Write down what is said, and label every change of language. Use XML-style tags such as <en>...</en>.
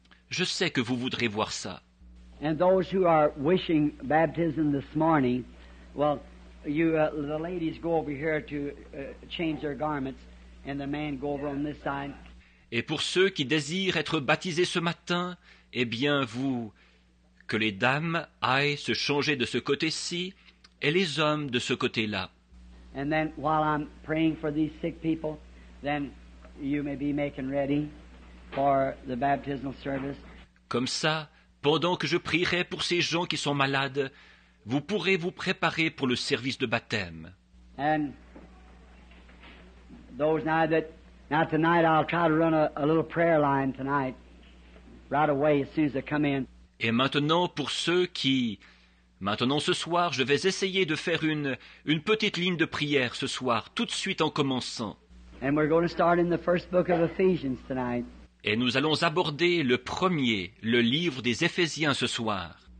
<fr>Je sais que vous voudrez voir ça.</fr> <en>And those who are wishing baptism this morning, well, the ladies go over here to change their garments, and the man go over on this side.</en> <fr>Et pour ceux qui désirent être baptisés ce matin, eh bien vous, que les dames aillent se changer de ce côté-ci et les hommes de ce côté-là.</fr> <en>And then while I'm praying for these sick people, then you may be making ready for the baptismal service.</en> <fr>Comme ça, pendant que je prierai pour ces gens qui sont malades, vous pourrez vous préparer pour le service de baptême.</fr> <en>And those now that now tonight I'll try to run a little prayer line tonight right away as soon as they come in.</en> <fr>Et maintenant pour ceux qui maintenant ce soir, je vais essayer de faire une petite ligne de prière ce soir tout de suite en commençant.</fr> <en>And we're going to start in the first book of Ephesians tonight.</en> <fr>Et nous allons aborder le premier, le livre des Éphésiens ce soir.</fr>